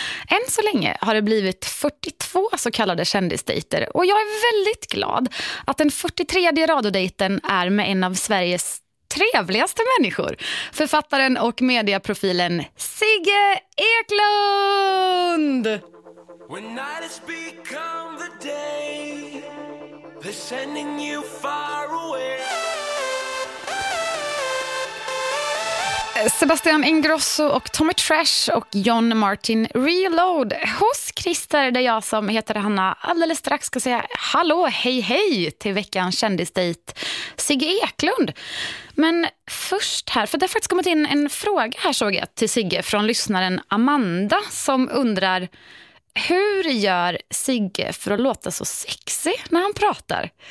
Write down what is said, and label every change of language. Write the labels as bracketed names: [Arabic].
[Swedish] Än så länge har det blivit 42 så kallade kändisdejter och jag är väldigt glad att den 43:e radiodejten är med en av Sveriges trevligaste människor, författaren och medieprofilen Sigge Eklund! [English] When night has become the day, they're sending you far away. [Swedish] Sebastian Ingrosso och Tommy Trash och John Martin Reload hos Christer, där jag som heter Hanna alldeles strax ska säga hallå, hej hej till veckans kändisdejt Sigge Eklund. Men först här, för det har faktiskt kommit in en fråga här såg jag till Sigge från lyssnaren Amanda som undrar: hur gör Sigge för att låta så sexy när han pratar?